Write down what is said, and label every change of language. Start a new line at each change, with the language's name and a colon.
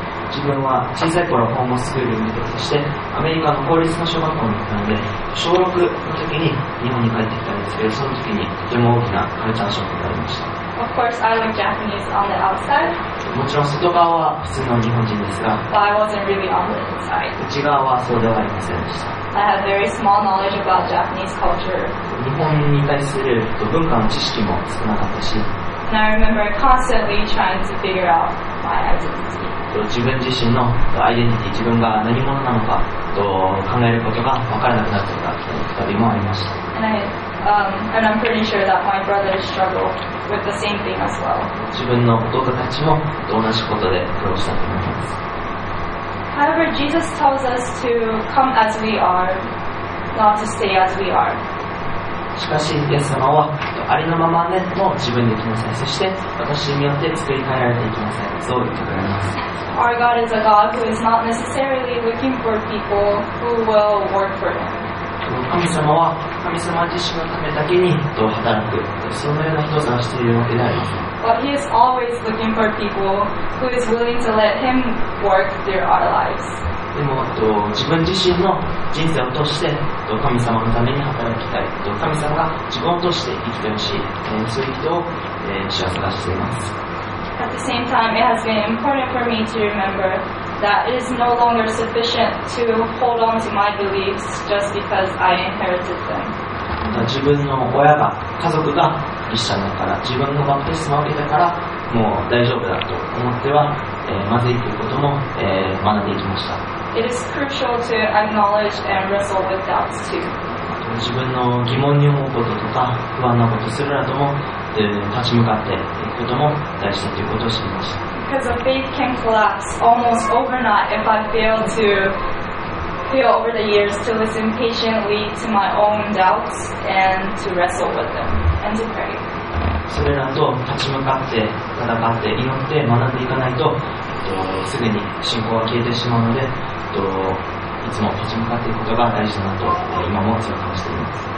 Japanese: 自分は小さい頃ホームスクールに出てきてアメリカの公立の小学校に行ったので小6の時に日本に帰ってきたんですけどその時にとても大きなカルチャーショックがありました。
English: Of course, I look Japanese on the outside.
Japanese: もちろん外側は普通の日本人ですが
English: But I wasn't really on the inside.
Japanese: 内側はそうではありませんでした。
English: I have very small knowledge about Japanese culture.
Japanese: 日本に対する文化の知識も少なかったし
English: And I remember constantly trying to figure out my identity.
Japanese: 自分自身のアイデンティティ自分が何者なのかと考えることが分からなくなっていた時もありました
English: and I'm pretty sure that my brother struggled with the same thing as well
Japanese: 自分の弟たちも同じことで苦労したと思います
English: However, Jesus tells us to come as we are not to stay as we are
Japanese: しかしイエス様はありのままでも自分で行きなさいそして私によって作り変えられていきなさいそう言ってくれます
English: Our God is a God who is not necessarily looking for people who will work for Him.
Japanese: 神様は神様自身のためだけに働く、そのような人を探しているわけではありません。
English: But He is always looking for people who is willing to let Him work through our lives.
Japanese: でも自分自身の人生を通して神様のために働きたい、神様が自分を通して生きてほしい、そういう人を主は探しています。
English: At the same time, it has been important for me to remember that it is no longer sufficient to hold on to my beliefs just because I inherited them.
Japanese: 自分の親が、家族が一緒だから、自分のバプテスマを受けたから、もう大丈夫だと思っては、まずいということも、学んでいきました。
English: It is crucial to acknowledge and wrestle with doubts too.
Japanese: 自分の疑問に思うこととか、不安なことするなども、立ち向かっていくことも大事だということを知りました。
English: Because a faith can collapse almost overnight if I fail to feel over the years to listen patiently to my own doubts and to wrestle with them and to pray.
Japanese: それらと立ち向かって戦って祈って学んでいかないと、すぐに信仰は消えてしまうので、いつも立ち向かっていくことが大事だなと今も強く感じています。